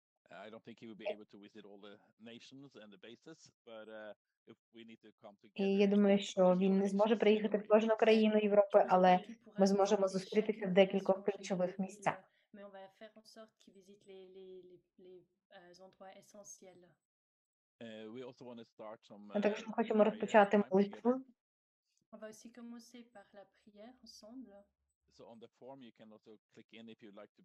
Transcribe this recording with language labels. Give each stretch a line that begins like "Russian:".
English: I don't think he will be able to visit all the nations and the bases, but if we need to come together.
Ukrainian: І я думаю, що він не зможе приїхати в кожну країну Європи, але ми зможемо зустрітися в декількох ключових місцях.
French: Mais on va faire en sorte qu'il visite les endroits essentiels.
English: We also want to start some.
Ukrainian: Ми також хочемо розпочати молитву.
French: On va aussi commencer par la prière ensemble.
English: So on the form you can also click in if you'd like to.